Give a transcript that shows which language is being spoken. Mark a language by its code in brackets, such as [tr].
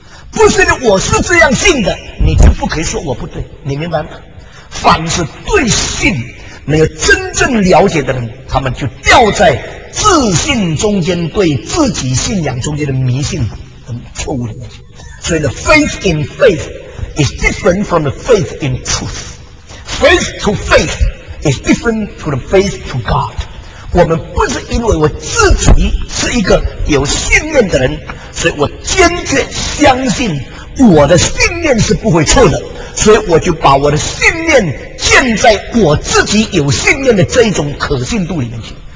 [zh] 不是因为我是这样信的，你就不可以说我不对，你明白吗？凡是对信没有真正了解的人，他们就掉在自信中间，对自己信仰中间的迷信很错误的东西。所以 [en] the faith in faith is different from the faith in truth. Faith to faith is different from the faith to God. [zh] 我们不是因为我自己是一个有信念的人，所以我坚决相信我的信念是不会错的，所以我就把我的信念建在我自己有信念的这一种可信度里面去。